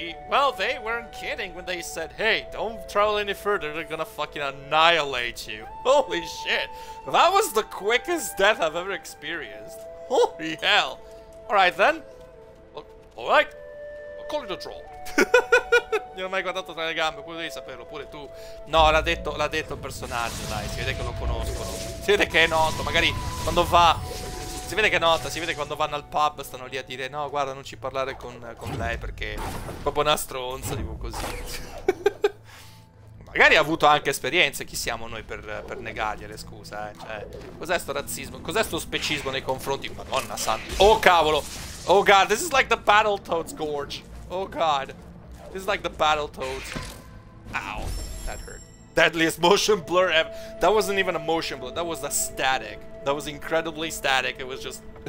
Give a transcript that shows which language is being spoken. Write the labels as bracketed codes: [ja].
[en] Well, they weren't kidding when they said, hey, don't travel any further, they're gonna fucking annihilate you. Holy shit. That was the quickest death I've ever experienced. Holy hell. Alright then. Alright. Call it a draw. [it] Non ho mai guardato tra le gambe, pure devi saperlo, pure tu. No, l'ha detto il personaggio, dai, si vede che lo conoscono. Si vede che è noto, magari quando va. Si vede che è nota, si vede che quando vanno al pub stanno lì a dire no, guarda, non ci parlare con lei perché è proprio una stronza, tipo così. Magari ha avuto anche esperienze, chi siamo noi per negargliele, scusa, eh? Cioè, cos'è sto razzismo? Cos'è sto specismo nei confronti? Madonna santa. Oh cavolo! [en] Oh god, this is like the Battletoads Gorge. Oh god. This is like the Battletoads. Ow. That hurt. Deadliest motion blur ever. That wasn't even a motion blur. That was a static. That was incredibly static. It was just...